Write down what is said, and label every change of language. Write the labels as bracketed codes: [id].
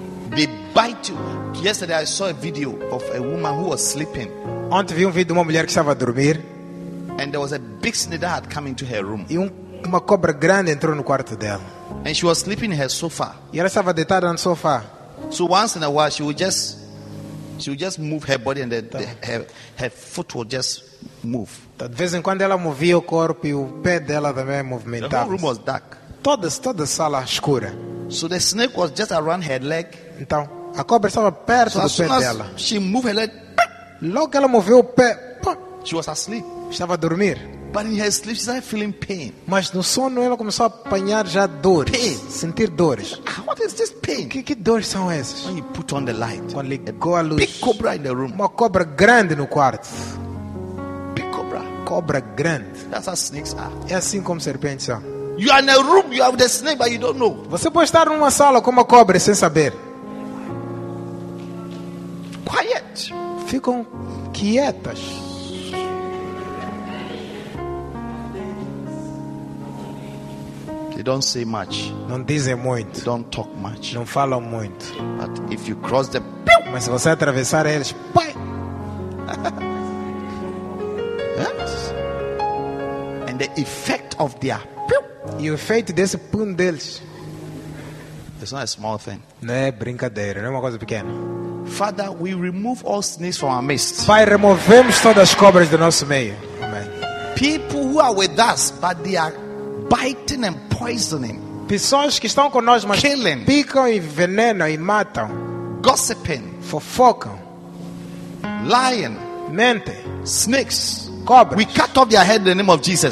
[en] They bite you. Yesterday I saw a video of a woman who was sleeping. [pt] Ontem vi um vídeo de uma mulher que estava a dormir. [en] And there was a big snake that came into her room. [pt] E uma cobra grande entrou no quarto dela. [en] And she was sleeping in her sofa. [pt] E ela estava deitada no sofá. [en] So once in a while she would just move her body and her foot would just move. [pt] De vez em quando ela movia o corpo e o pé dela também movimentava. [en] The whole room was dark. [pt] Toda a sala escura. [en] So the snake was just around her leg. [pt] Então, a cobra estava perto do pé dela. [en] She moved her leg. [pt] Logo ela moveu o pé. [en] She was asleep. [pt] Estava a dormir. [en] But in her sleep, she started feeling pain. [pt] Mas no sono ela começou a apanhar já dores. [en] Pain. [pt] Sentir dores. [en] What is this pain? [pt] Que dores são essas? [en] When you put on the light. [pt] Quando ligou a luz. [en] Big cobra in the room. [pt] Uma cobra grande no quarto. [en] Big cobra. [pt] Cobra grande. [en] That's how snakes are. [pt] É assim como serpentes são. [en] You are in a room, you have the snake, but you don't know. [pt] Você pode estar numa sala com uma cobra sem saber. [en] Quiet. [pt] Ficam quietas. [en] They don't say much. [pt] Não dizem muito. [en] They don't talk much. [pt] Não falam muito. [en] But if you cross them, [pt] mas se você atravessar eles, pai. [en] Yes. And the effect of their. [pt] E o efeito desse pum deles. [en] It's not a small thing. [pt] Não é brincadeira, não é uma coisa pequena. [en] Father, we remove all snakes from our midst. [pt] Pai, removemos todas as cobras do nosso meio. [en] Amen. People who are with us, but they are biting and poisoning. [pt] Pessoas que estão conosco, mas [en] killing, [pt] picam e venenam e matam. [en] Gossiping, [pt] fofocam. [en] Lying, [pt] mente. [en] Snakes. [pt] Cobras. [en] We cut off their head in the name of Jesus.